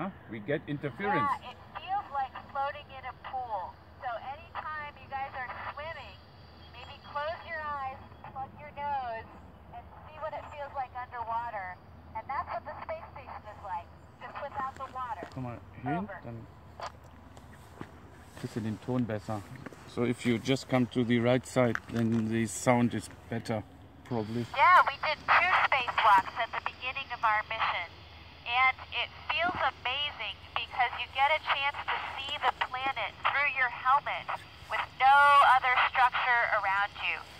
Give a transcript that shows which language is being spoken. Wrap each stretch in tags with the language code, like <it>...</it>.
<en>We get interference. Yeah, it feels like floating in a pool. So anytime you guys are swimming, maybe close your eyes, plug your nose, and see what it feels like underwater. And that's what the space station is like, just without the water. Come on, here,</en> <de>dann kriegst du den Ton besser.</de> <en>So if you just come to the right side, then the sound is better, probably. Yeah, we did two spacewalks at the beginning of our mission. And it feels amazing because you get a chance to see the planet through your helmet with no other structure around you.</en>